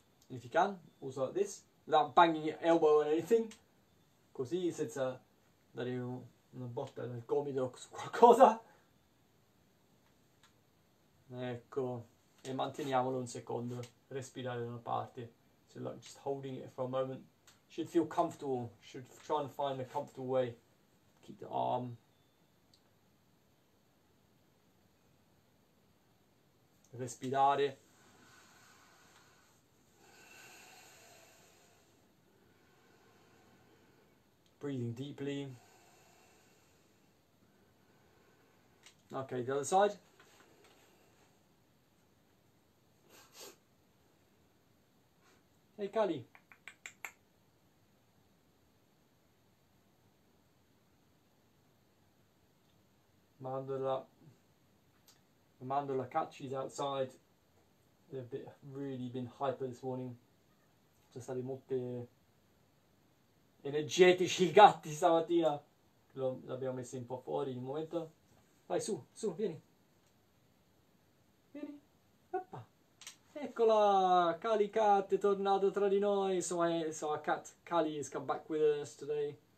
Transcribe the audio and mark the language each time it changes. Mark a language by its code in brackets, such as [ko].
[en] If you can, also like this, without banging your elbow or anything, [it] così senza dare una botta nel gomito o qualcosa. Ecco, e manteniamolo un secondo, respirare da una parte. [en] So like just holding it for a moment. Should feel comfortable, should try and find a comfortable way. Keep the arm. [it] Respirare. [en] Breathing deeply. Okay, the other side. Hey, Cali. Mandola catches outside. They've really been hyper this morning. [it] Sono stati molto energetici i gatti stamattina. L'abbiamo messo un po' fuori in un momento. Vai su, su, vieni. Eccola! Kali Cat è tornato tra di noi. [en] So our cat Kali has come back with us today.